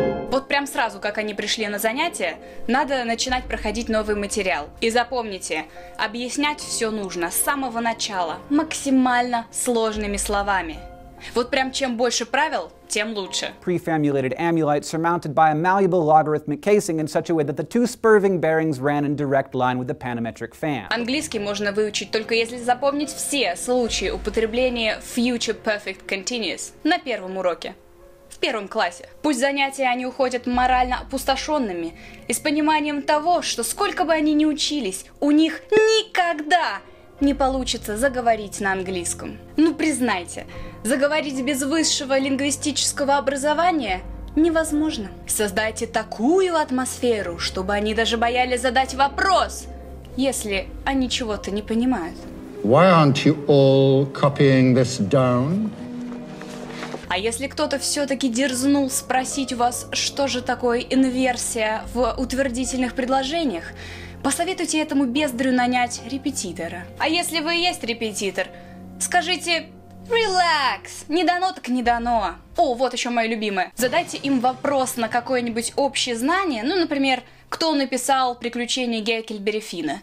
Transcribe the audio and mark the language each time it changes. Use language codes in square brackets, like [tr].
[ru] Вот прям сразу, как они пришли на занятия, надо начинать проходить новый материал. И запомните, объяснять все нужно с самого начала, максимально сложными словами. Вот прям чем больше правил, тем лучше. [en] Prefamulated amulite surmounted by a malleable logarithmic casing in such a way that the two spurving bearings ran in direct line with the panometric fan. [ru] Английский можно выучить только если запомнить все случаи употребления future perfect continuous на первом уроке. В первом классе. Пусть занятия они уходят морально опустошенными и с пониманием того, что сколько бы они ни учились, у них никогда не получится заговорить на английском. Ну признайте, заговорить без высшего лингвистического образования невозможно. Создайте такую атмосферу, чтобы они даже боялись задать вопрос, если они чего-то не понимают. [en] Why aren't you all copying this down? [ru] А если кто-то все-таки дерзнул спросить у вас, что же такое инверсия в утвердительных предложениях, посоветуйте этому бездарю нанять репетитора. А если вы есть репетитор, скажите [en] «Relax! [ru] Не дано так не дано!» О, вот еще мое любимое. Задайте им вопрос на какое-нибудь общее знание, ну, например, кто написал «Приключения Гекльберри Финна».